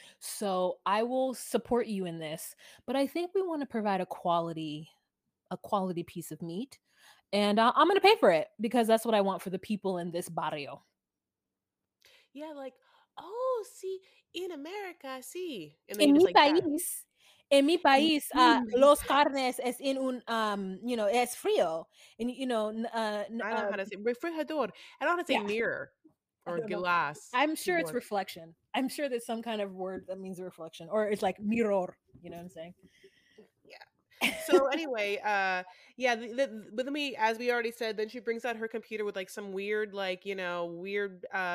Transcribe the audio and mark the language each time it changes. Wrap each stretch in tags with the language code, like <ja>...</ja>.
<en>So I will support you in this, but I think we want to provide a quality piece of meat. And I'm going to pay for it because that's what I want for the people in this barrio. Yeah, like, oh, see, in America, see.</en> <es>En mi país, los carnes es en un,</es> <en>you know,</en> <es>es frío.</es> <en>And, you know. I don't know how to say refrigerador. I don't want to say mirror or glass. I'm sure it's reflection. I'm sure there's some kind of word that means reflection or it's like mirror. You know what I'm saying? So anyway, but let me, as we already said, then she brings out her computer with like some weird, like, you know, weird.</en>